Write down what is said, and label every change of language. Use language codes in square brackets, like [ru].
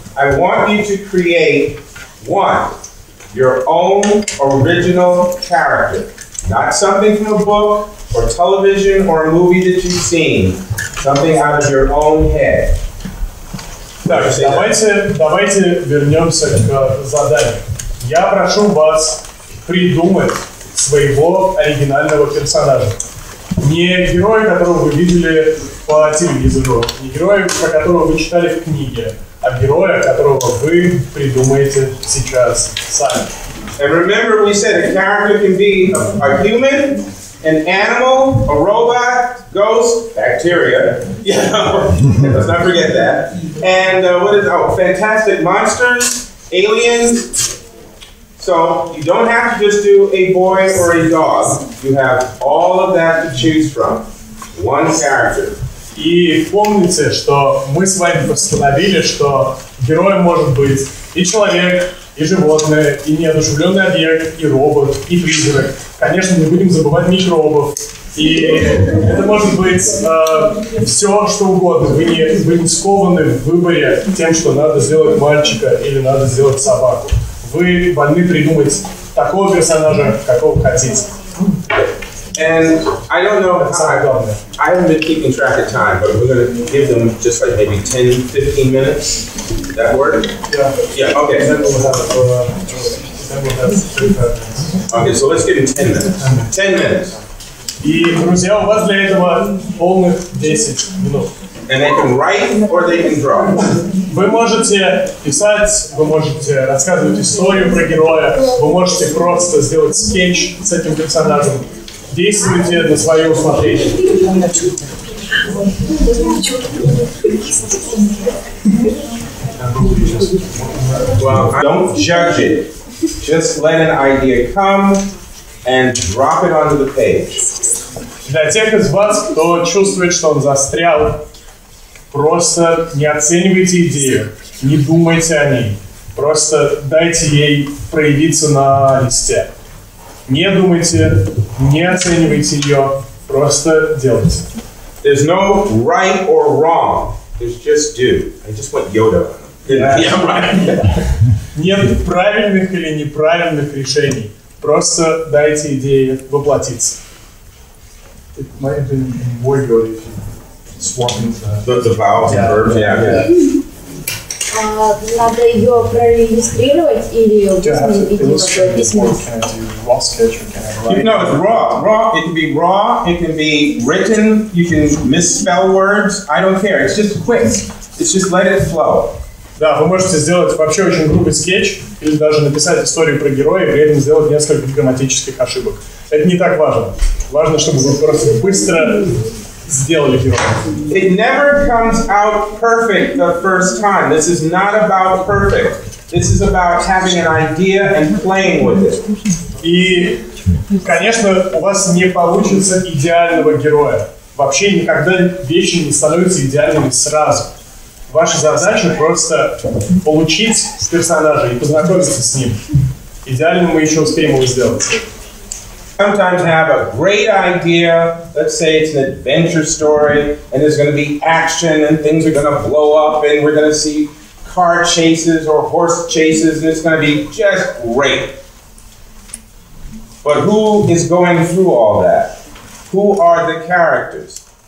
[en] I want you to create one, your own original character. Not something from a book or television or a movie that you've seen. Something out of your own head. [ru] Так, давайте вернемся к заданию. Я прошу вас придумать своего оригинального персонажа. Не героя, которого вы видели по телевизору, не героя, про которого вы читали в книге, а героя, которого вы придумаете сейчас сами. [en] And remember, we said a character can be a human, an animal, a robot, ghost, bacteria, you know, let's not forget that. And what is, oh, fantastic monsters, aliens. So you don't have to just do a boy or a dog. You have all of that to choose from. One character. [ru] И помните, что мы с вами постановили, что героем может быть и человек, и животное, и неодушевленный объект, и робот, и призрак. Конечно, не будем забывать микробов. И это может быть все, что угодно. Вы не скованы в выборе тем, что надо сделать мальчика или надо сделать собаку. Вы вольны придумать такого персонажа, какого хотите. [en] And I don't know, I haven't been keeping track of time, but we're going to give them just like maybe 10, 15 minutes. Does that work? Yeah. Yeah, okay. Then we'll have 35 minutes. Okay, so let's give them 10 minutes. 10 minutes. [ru] И, друзья, у вас для этого полных 10 минут. [en] And they can write or they can draw. [ru] Вы можете писать, вы можете рассказывать историю про героя, вы можете просто сделать скетч с этим персонажем. Действуйте на свое усмотрение. [en] Well, don't judge it. Just let an idea come and drop it onto the page. [ru] Для тех из вас, кто чувствует, что он застрял, просто не оценивайте идею, не думайте о ней. Просто дайте ей проявиться на листе. Не думайте, не оценивайте ее, просто делайте. [en] There's no right or wrong. There's just do. I just want Yoda. Yeah, right. [ru] Нет правильных или неправильных решений. Просто дайте идее воплотиться. [en] It might have been more good if you swap into the vowels and verbs. Yeah. [ru] Надо ее проиллюстрировать или ее письмо. Sketch, [en] you know, it's raw. It can be raw. It can be written. You can misspell words. I don't care. It's just quick. It's just let it flow. [ru] Да, вы можете сделать вообще очень грубый скетч или даже написать историю про героя и при этом сделать несколько грамматических ошибок. Это не так важно. Важно, чтобы вы просто быстро сделали героя. [en] It never comes out perfect the first time. This is not about perfect. This is about having an idea and playing with it. [ru] И, конечно, у вас не получится идеального героя. Вообще никогда вещи не становятся идеальными сразу. Ваша задача просто получить персонажа и познакомиться с ним. Идеальным мы еще успеем его сделать. [en] Sometimes have a great idea. Let's say it's an adventure story, and there's going to be action, and things are going to blow up, and we're going to see car chases or horse chases, and it's going to be just great. But who is going through all that? Who are the characters?